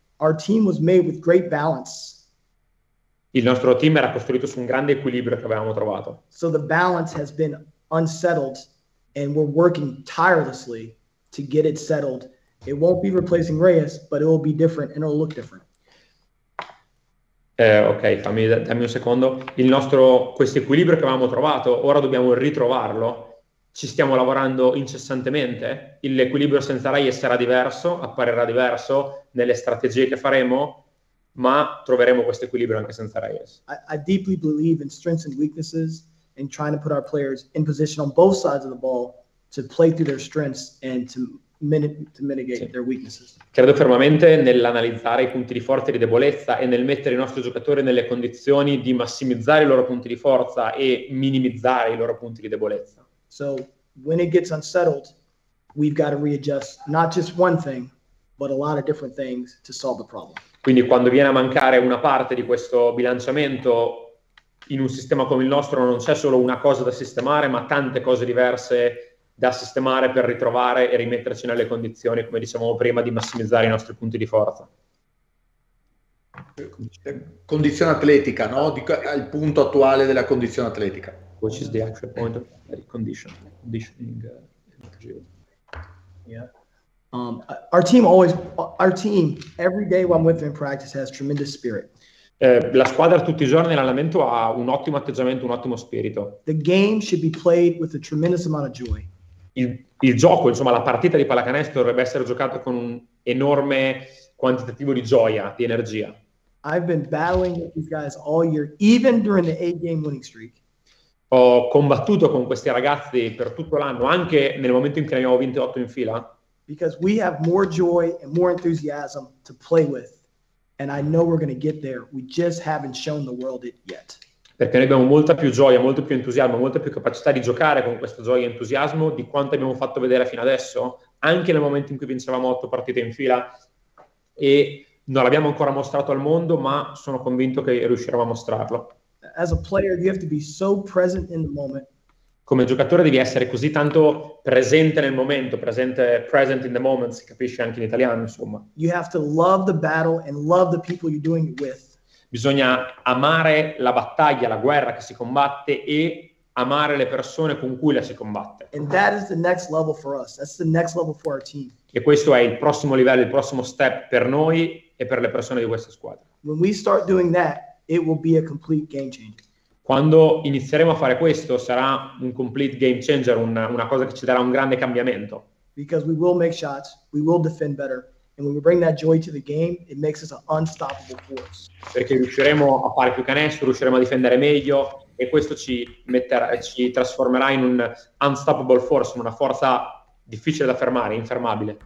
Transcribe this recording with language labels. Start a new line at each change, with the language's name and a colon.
English: Our team was made with great balance.
Italian: Il nostro team era costruito su un grande equilibrio che avevamo trovato.
English: So the balance has been unsettled and we're working tirelessly to get it settled. It won't be replacing Reyes, but it will be different and it will look different.
Italian: Ok, dammi un secondo. Il nostro, questo equilibrio che avevamo trovato, ora dobbiamo ritrovarlo. Ci stiamo lavorando incessantemente. L'equilibrio senza Reyes sarà diverso, apparirà diverso nelle strategie che faremo, ma troveremo questo equilibrio anche senza Reyes.
English: I deeply believe in strengths and weaknesses and trying to put our players in position on both sides of the ball to play through their strengths and to mitigate their weaknesses.
Italian: Credo fermamente nell'analizzare i punti di forza e di debolezza e nel mettere i nostri giocatori nelle condizioni di massimizzare i loro punti di forza e minimizzare i loro punti di debolezza.
English: So when it gets unsettled, we've got to readjust not just one thing, but a lot of different things to solve the problem.
Italian: Quindi quando viene a mancare una parte di questo bilanciamento in un sistema come il nostro, non c'è solo una cosa da sistemare, ma tante cose diverse da sistemare per ritrovare e rimetterci nelle condizioni, come dicevamo prima, di massimizzare i nostri punti di forza. Condizione atletica, no? Il punto attuale della condizione atletica.
English: Which is the actual point of condition. Conditioning. Our team, every day when I'm with them in practice, has tremendous spirit.
Italian: La squadra tutti i giorni in allenamento ha un ottimo atteggiamento, un ottimo spirito.
English: The game should be played with a tremendous amount of joy.
Italian: Il gioco, insomma, la partita di pallacanestro dovrebbe essere giocata con un enorme quantitativo di gioia, di energia.
English: I've been battling with these guys all year, even during the 8-game winning streak.
Italian: Ho combattuto con questi ragazzi per tutto l'anno, anche nel momento in cui abbiamo vinto 8 in fila.
English: Because we have more joy and more enthusiasm to play with. And I know we're going to get there. We just haven't shown the world it yet.
Italian: Perché noi abbiamo molta più gioia, molto più entusiasmo, molta più capacità di giocare con questa gioia e entusiasmo di quanto abbiamo fatto vedere fino adesso, anche nel momento in cui vincevamo 8 partite in fila. E non l'abbiamo ancora mostrato al mondo, ma sono convinto che riusciremo a mostrarlo.
English: As a player, you have to be so present in the moment.
Italian: Come giocatore devi essere così tanto presente nel momento,
English: present in the moment,
Italian: si capisce anche in italiano, insomma.
English: You have to love the battle and love the people you're doing it with.
Italian: Bisogna amare la battaglia, la guerra che si combatte e amare le persone con cui la si combatte.
English: And that is the next level for us. That's the next level for our team.
Italian: E questo è il prossimo livello, il prossimo step per noi e per le persone di questa squadra.
English: When we start doing that, it will be a complete game changer.
Italian: Quando inizieremo a fare questo, sarà un
English: complete game changer,
Italian: una cosa che ci darà un grande cambiamento.
English: Because we will make shots, we will defend better, and when we bring that joy to the game, it makes us an unstoppable force.
Italian: Perché riusciremo a fare più canestro, riusciremo a difendere meglio, e questo ci metterà, ci trasformerà in un
English: unstoppable force,
Italian: una forza difficile da fermare, infermabile.